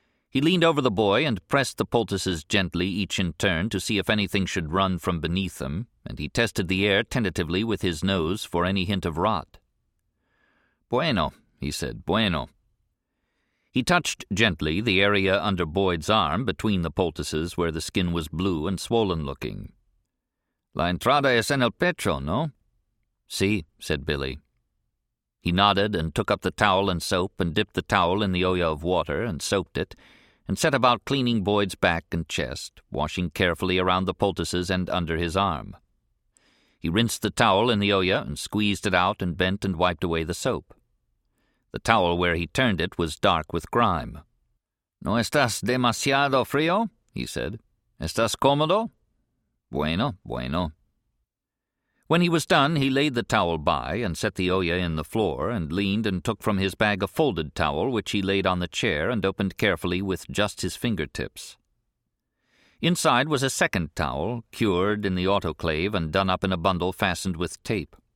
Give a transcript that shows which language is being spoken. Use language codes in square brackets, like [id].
[en] He leaned over the boy and pressed the poultices gently each in turn to see if anything should run from beneath them, and he tested the air tentatively with his nose for any hint of rot. [es] "Bueno," [en] he said, [es] "bueno." [en] He touched gently the area under Boyd's arm between the poultices where the skin was blue and swollen-looking. [es] "La entrada es en el pecho, ¿no?" [en] "Sí," said Billy. He nodded and took up the towel and soap and dipped the towel in the olla of water and soaped it and set about cleaning Boyd's back and chest, washing carefully around the poultices and under his arm. He rinsed the towel in the olla and squeezed it out and bent and wiped away the soap. The towel where he turned it was dark with grime. [es] "¿No estás demasiado frío?" [en] he said. [es] "¿Estás cómodo?" "Bueno, bueno." [en] When he was done, he laid the towel by and set the olla in the floor and leaned and took from his bag a folded towel which he laid on the chair and opened carefully with just his fingertips. Inside was a second towel, cured in the autoclave and done up in a bundle fastened with tape.